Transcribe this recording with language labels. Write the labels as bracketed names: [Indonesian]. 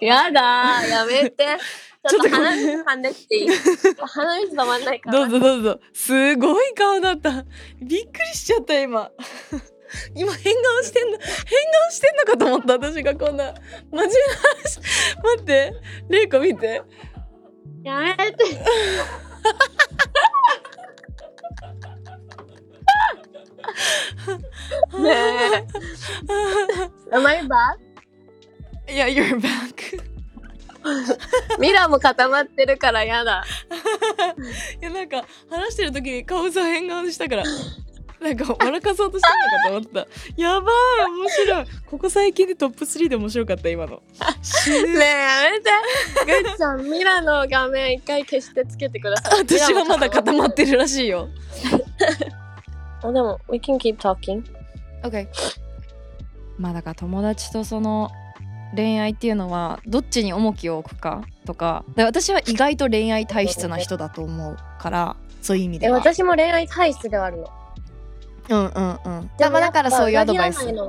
[Japanese] やだやめてちょっと鼻水噛んでっていい鼻水止まんないから、どうぞどうぞ。すごい顔だった、びっくりしちゃった今今変顔してんの、変顔してんのかと思った私が、こんな真面目な話待って、レイコ見てやめてねえ [English] Am I back? Yeah, you're back [Japanese] ミラーも固まってるからやだいやなんか話してる時に顔さ変顔したからなんか笑かそうとしてるのかと思った。やばい、面白い、ここ最近でトップ3で面白かった今のねえやめてグッちゃん、ミラーの画面一回消してつけてください。私はまだ固まってるらしいよ [English] でも We can keep talking [Japanese] OK まだか友達とその恋愛っていうのはどっちに重きを置くかとか、で私は意外と恋愛体質な人だと思うから、そういう意味では、え、私も恋愛体質ではあるの。うんうんうん、でもだからそういうアドバイス、